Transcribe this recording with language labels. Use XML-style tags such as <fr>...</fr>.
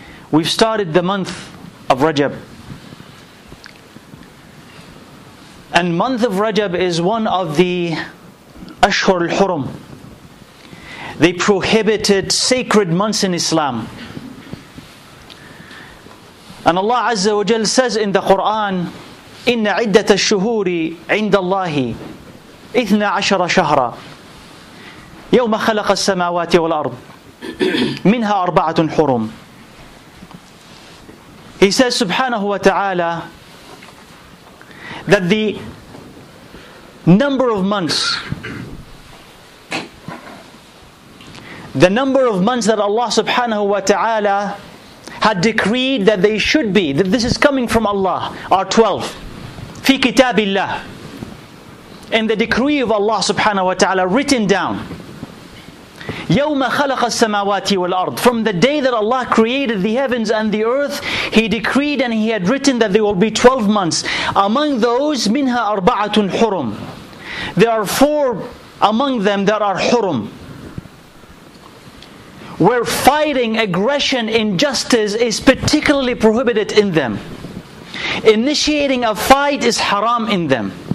<en>We've started the month of Rajab. And month of Rajab is one of the Ashhur al-Hurum, the prohibited sacred months in Islam. And Allah Azza wa Jal says in the Quran,</en> <ar>إِنَّ عِدَّةَ الشُّهُورِ عِنْدَ اللَّهِ إِثْنَ عَشَرَ شَهْرًا يَوْمَ خَلَقَ السَّمَاوَاتِ وَالْأَرْضِ مِنْهَا أَرْبَعَةٌ حُرُمٌ.</ar> <en>He says, subhanahu wa ta'ala, that the number of months, the number of months that Allah subhanahu wa ta'ala had decreed that they should be, that this is coming from Allah, are 12.</en> <ar>Fi kitabillah.</ar> <en>In the decree of Allah subhanahu wa ta'ala, written down.</en> <ar>يوم خلق السماوات والأرض.</ar> <en>From the day that Allah created the heavens and the earth, He decreed and He had written that there will be 12 months. Among those,</en> <ar>منها أربعة حرم.</ar> <en>There are four among them that are حرم, where fighting, aggression, injustice is particularly prohibited in them. Initiating a fight is haram in them.</en>